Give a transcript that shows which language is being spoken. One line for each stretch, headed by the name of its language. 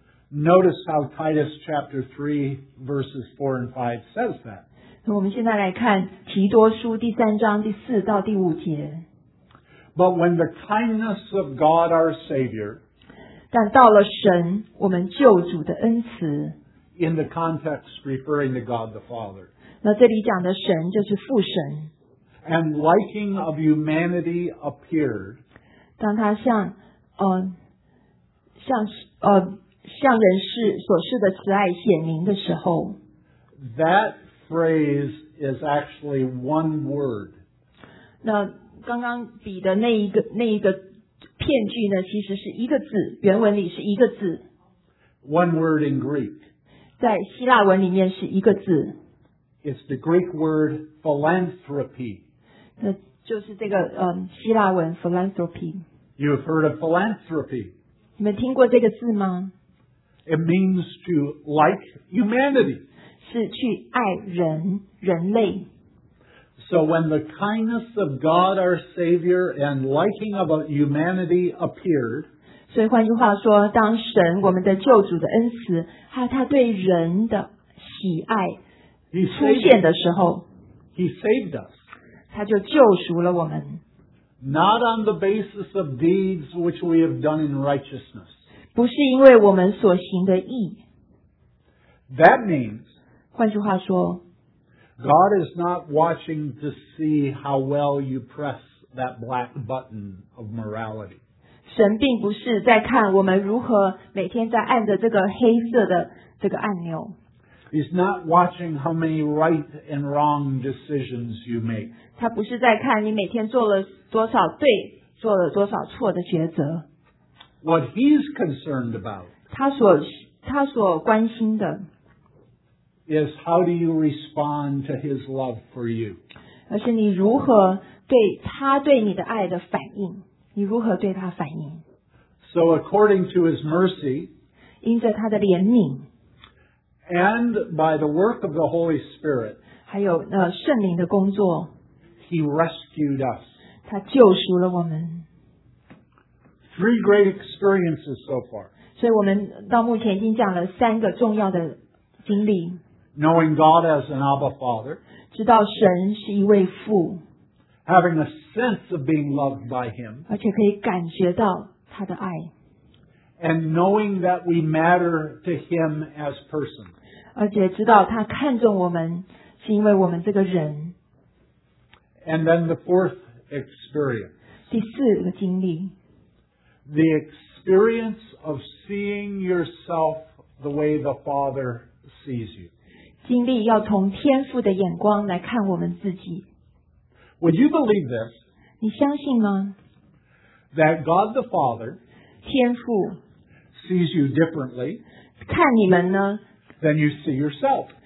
English: Notice how Titus chapter 3 verses 4 and 5 says that.
Chinese: 那我们现在来看提多书第三章第四到第五节。
English: But when the kindness of God our Savior.
Chinese: 但到了神我们救主的恩慈。
English: In the context referring to God the Father.
Chinese: 那这里讲的神就是父神。
English: And liking of humanity appeared.
Chinese: 当他向人世所示的慈爱显明的时候。
English: That phrase is actually one word.
Chinese: 那刚刚比的那一个片句呢，其实是一个字，原文里是一个字。
English: One word in Greek.
Chinese: 在希腊文里面是一个字。
English: It's the Greek word philanthropy.
Chinese: 那就是这个希腊文 philanthropy.
English: You've heard of philanthropy.
Chinese: 你们听过这个字吗？
English: It means to like humanity.
Chinese: 是去爱人，人类。
English: So when the kindness of God our Savior and liking of humanity appeared,
Chinese: 所以换句话说，当神我们的救主的恩慈，还有他对人的喜爱出现的时候，
English: He saved us.
Chinese: 他就救赎了我们。
English: Not on the basis of deeds which we have done in righteousness.
Chinese: 不是因为我们所行的义。
English: That means,
Chinese: 换句话说，
English: God is not watching to see how well you press that black button of morality.
Chinese: 神并不是在看我们如何每天在按着这个黑色的这个按钮。
English: He's not watching how many right and wrong decisions you make.
Chinese: 他不是在看你每天做了多少对，做了多少错的抉择。
English: What he's concerned about,
Chinese: 他所关心的
English: is how do you respond to his love for you.
Chinese: 而是你如何对他对你的爱的反应，你如何对他反应。
English: So according to his mercy,
Chinese: 因着他的怜悯，
English: And by the work of the Holy Spirit,
Chinese: 还有圣灵的工作，
English: He rescued us.
Chinese: 他救赎了我们。
English: Three great experiences so far.
Chinese: 所以我们到目前已经讲了三个重要的经历。
English: Knowing God as an Abba Father.
Chinese: 知道神是一位父。
English: Having a sense of being loved by Him.
Chinese: 而且可以感觉到他的爱。
English: And knowing that we matter to him as persons.
Chinese: 而且知道他看重我们是因为我们这个人。
English: And then the fourth experience.
Chinese: 第四个经历。
English: The experience of seeing yourself the way the Father sees you.
Chinese: 经历要从天父的眼光来看我们自己。
English: Would you believe this?
Chinese: 你相信吗？
English: That God the Father
Chinese: 天父
English: sees you differently
Chinese: 看你们呢,
English: than you see yourself.